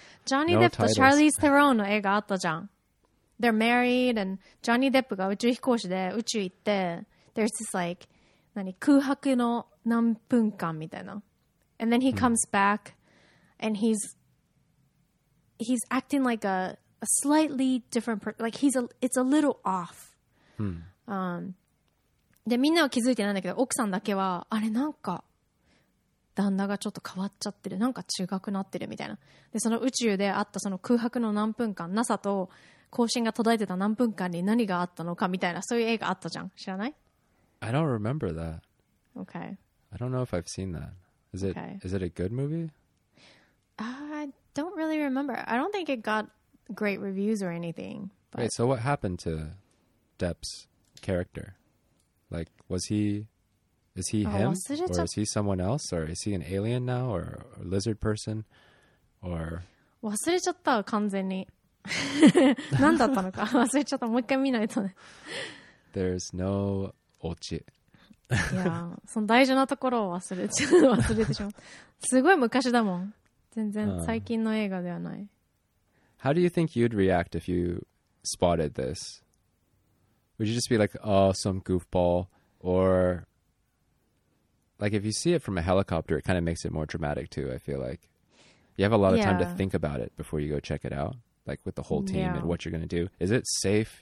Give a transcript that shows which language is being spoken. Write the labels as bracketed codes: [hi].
[ja] Johnny Depp to Charlize Theron の映画あったじゃん。 [en] They're married and [ja] Johnny Depp が宇宙飛行士で宇宙行って [en] There's this like [ja] 何空白の何分間みたいな。 [en] And then he comes back and he's acting like a slightly different person. Like it's a little off. [ja] でみんなは気づいてないんだけど奥さんだけはあれなんか旦那がちょっと変わっちゃってるなんか違くなってるみたいな。でその宇宙であったその空白の何分間 NASA と交信が途絶えてた何分間に何があったのかみたいなそういう映画あったじゃん知らない？ [en] I don't remember that. Okay. I don't know if I've seen that. Is it a good movie? I don't really remember. I don't think it got great reviews or anything. But... Wait, so what happened to Depp's character? Like, is he him? Or is he someone else? Or is he an alien now? Or a lizard person? Or... [ja] 忘れちゃった、完全に。何だったのか忘れちゃった。もう一回見ないとね。 [en] There's no オチ。 [ja] いや、その大事なところを忘れてしまう。すごい昔だもん。全然最近の映画ではない。 [en] How do you think you'd react if you spotted this? Would you just be like, oh, some goofball? Or, like, if you see it from a helicopter, it kind of makes it more dramatic, too, I feel like. You have a lot of time to think about it before you go check it out, like, with the whole team and what you're going to do. Is it safe?